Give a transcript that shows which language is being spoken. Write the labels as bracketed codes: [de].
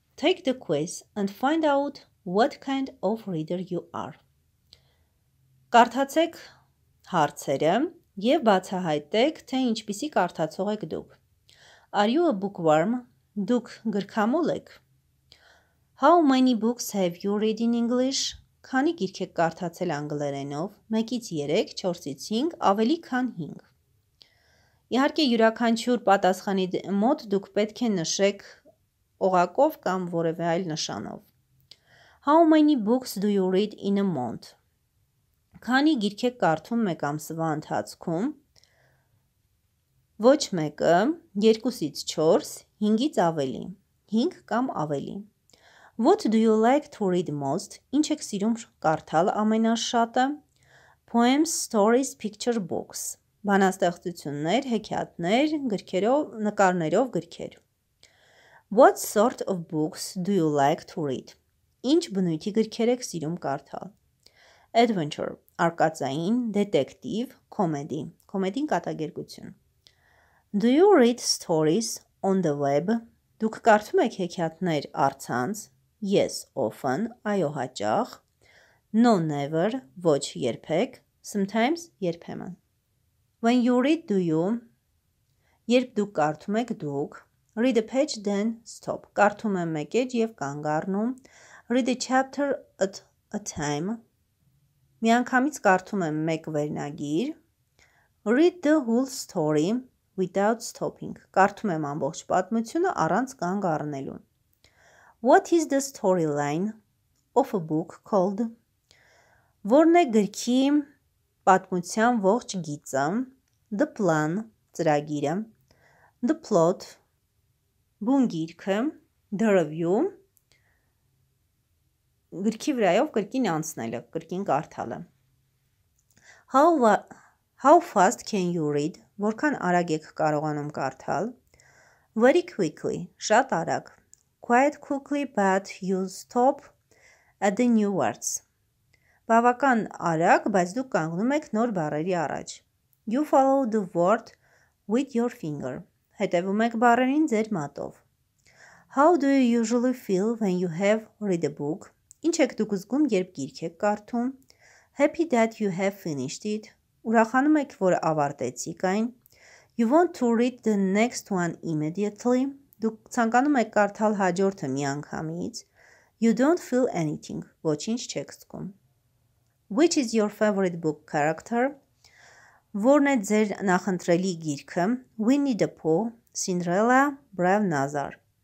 [en] Take the quiz and find out what kind of reader you are. [hy] Կարդացեք հարցերը եւ բացահայտեք, թե ինչպիսի կարդացող եք դուք. [en] Are you a bookworm? [hy] Դուք գրքամոլ եք? [en] How many books have you read in English? [hy] Քանի գիրք եք կարդացել անգլերենով? 1-ից 3, 4-ից 5, ավելի քան 5. Իհարկե յուրաքանչյուր պատասխանի մոտ դուք պետք է նշեք օղակով կամ որևէ այլ նշանով. [en] How many books do you read in a month? [hy] Քանի գիրք եք կարդում 1 ամսվա ընթացքում? Ոչ 1-ը, 2-ից 4, 5-ից ավելի, 5 կամ ավելի. [en] What do you like to read most? [hy] Ինչ եք սիրում կարդալ ամենաշատը? [en] Poems, stories, picture books. [hy] Բանաստեղծություններ, հեքիաթներ, գրքերով, նկարներով գրքեր. [en] What sort of books do you like to read? [hy] Ինչ բնույթի գրքեր եք սիրում կարդալ? Adventure, արկածային, [en] detective, comedy. [hy] Կոմեդին կատակերգություն. [en] Do you read stories on the web? [hy] Դուք կարդում եք հեքիաթներ առցանց? [en] Yes, often, [hy] այո հաճախ. [en] No, never, [hy] ոչ երբեք. [en] Sometimes, [hy] երբեմն. [en] When you read, do you? [hy] Երբ դուք կարդում եք դուք. [en] Read a page, then stop. [hy] Կարդում եմ մեկ էջ և կանգ առնում. [en] Read a chapter at a time. [hy] Միանգամից կարդում եմ մեկ վերնագիր. [en] Read the whole story without stopping. [hy] Կարդում եմ ամբողջ պատմությունը առանց կանգ առնելու. [en] What is the storyline of a book called? [hy] Որն է գրքի պատմության ողջ գիծը? [en] The plan, [hy] ծրագիրը. [en] The plot, [hy] բուն գիրքը. [en] The review, [hy] գրքի վրայով գրքին անցնելը, գրքին կարդալը. [en] How fast can you read? [hy] Որքան արագ եք կարողանում կարդալ? [en] Very quickly, [hy] շատ արագ. [en] Quite quickly, but you stop at the new words. [hy] Բավական արագ, բայց դուք կանգնում եք նոր բառերի առաջ. [en] You follow the word with your finger. [hy] Հետևում եք բառերին ձեր մատով. [en] How do you usually feel when you have read a book? [hy] Ինչ եք դուք զգում, երբ գիրք եք կարդում? [en] Happy that you have finished it. [hy] Ուրախանում եք, որ ավարտեցիք այն. [en] You want to read the next one immediately. [hy] Դուք ցանկանում եք կարդալ հաջորդը միանգամից. [en] You don't feel anything. [hy] Ոչինչ չեք զգում. [en] Which is your favorite book character? [hy] Որն է ձեր նախընտրելի գիրքը? Winnie the Pooh, Cinderella, Brave Nazar.